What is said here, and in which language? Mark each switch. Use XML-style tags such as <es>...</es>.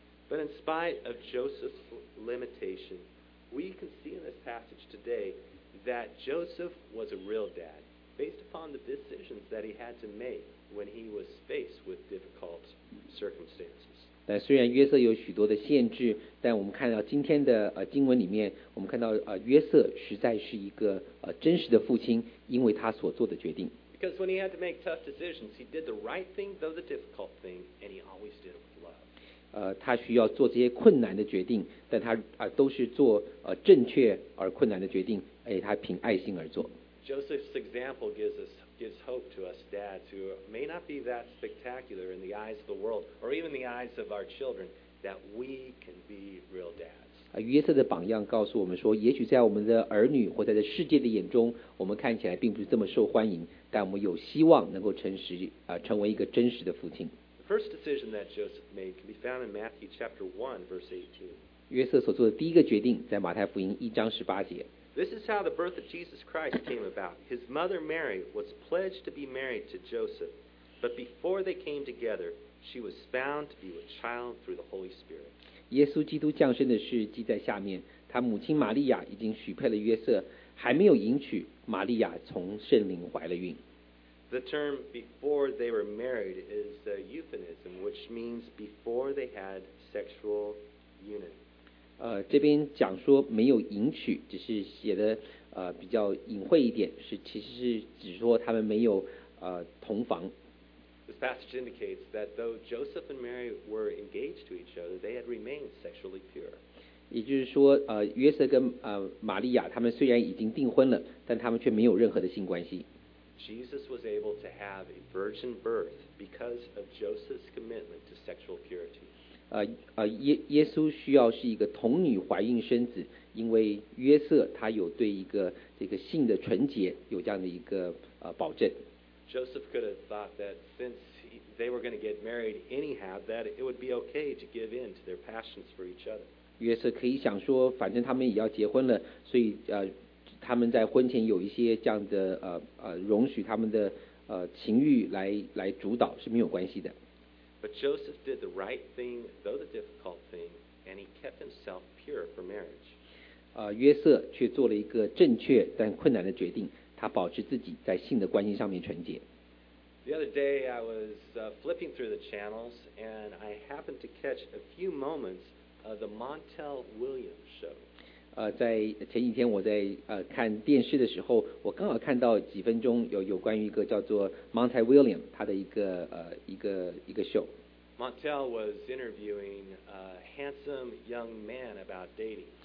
<en>But in spite of Joseph's limitation, we can see in this passage today that Joseph was a real dad, based upon the decisions that he had to make. When he was faced with difficult circumstances.</en> <zh>但虽然约瑟有许多的限制，但我们看到今天的经文里面，我们看到约瑟实在是一个真实的父亲，因为他所做的决定。</zh> <en>Because when he had to make tough decisions, he did the right thing, though the difficult thing, and he always did it with love.</en> <zh>他需要做这些困难的决定，但他都是做正确而困难的决定，而且他凭爱心而做。</zh> <en>Joseph's example gives hope to us dads who may not be that spectacular in the eyes of the world or even the eyes of our children that we can be real dads.</en> <zh>约瑟的榜样告诉我们说，也许在我们的儿女或在这世界的眼中，我们看起来并不是这么受欢迎，但我们有希望能够成为一个真实的父亲。</zh> <en>The first decision that Joseph made can be found in Matthew chapter 1 verse 18.</en> <zh>约瑟所做的第一个决定在马太福音一章十八节。</zh> <en>This is how the birth of Jesus Christ came about. His mother Mary was pledged to be married to Joseph, but before they came together, she was found to be with child through the Holy Spirit.</en> <zh>耶稣基督降生的事记在下面，他母亲玛利亚已经许配了约瑟，还没有迎娶，玛利亚从圣灵怀了孕。</zh> <en>The term before they were married is a euphemism, which means before they had sexual union.</en> <zh>这边讲说没有迎娶，只是写的比较隐晦一点，是其实是指说他们没有同房。</zh> <en>This passage indicates that though Joseph and Mary were engaged to each other, they had remained sexually pure.</en> <zh>也就是说，约瑟跟玛利亚他们虽然已经订婚了，但他们却没有任何的性关系。</zh> <en>Jesus was able to have a virgin birth because of Joseph's commitment to sexual purity.</en> <zh>耶稣需要是一个童女怀孕生子，因为约瑟他有对一个这个性的纯洁有这样的一个保证。</zh> <en>Joseph could have thought that since they were going to get married anyhow, that it would be okay to give in to their passions for each other.</en> <zh>约瑟可以想说，反正他们也要结婚了，所以他们在婚前有一些这样的容许他们的情欲来主导是没有关系的。</zh> <en>But Joseph did the right thing, though the difficult thing, and he kept himself pure for marriage.</en> <zh>约瑟却做了一个正确但困难的决定，他保持自己在性的关系上面纯洁。</zh> <en>The other day I was flipping through the channels, and I happened to catch a few moments of the Montel Williams show.</en> <zh>在前几天我在看电视的时候，我刚好看到几分钟有关于一个叫做 Montel Williams 他的一个 show。</zh> <en>Montel was interviewing a handsome young man about dating.</en>